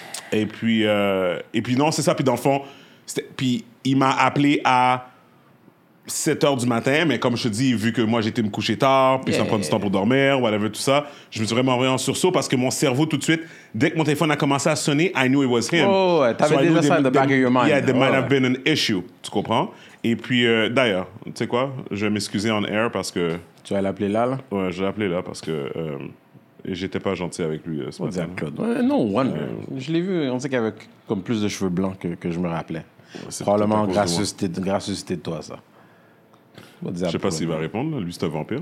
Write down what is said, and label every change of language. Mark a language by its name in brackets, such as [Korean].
[French] Et puis... et puis non, c'est ça. Puis dans le fond, puis il m'a appelé à 7h du matin, mais comme je te dis, vu que moi, j'étais me coucher tard, puis yeah, ça prend du temps pour dormir, whatever, tout ça, je me suis vraiment envoyé en sursaut parce que mon cerveau, tout de suite... Dès que mon téléphone a commencé à sonner, [English] I knew it was him. [French] Oh, ouais, t'avais [English] so [French] déjà ça [English] in the back of your mind. Yeah, there might have been an issue, [French] tu comprends? Et puis, d'ailleurs, tu sais quoi? Je vais m'excuser on air parce que... Tu vas l'appeler là? Ouais, je vais l'appeler là parce que j'étais pas gentil avec lui ce matin. Oh, Claude. Ouais, non, one. Je l'ai vu, on sait qu'il avait comme plus de cheveux blancs que je me rappelais. Ouais, probablement gracieuseté de toi, ça. Je sais pas s'il va répondre, lui c'est un vampire.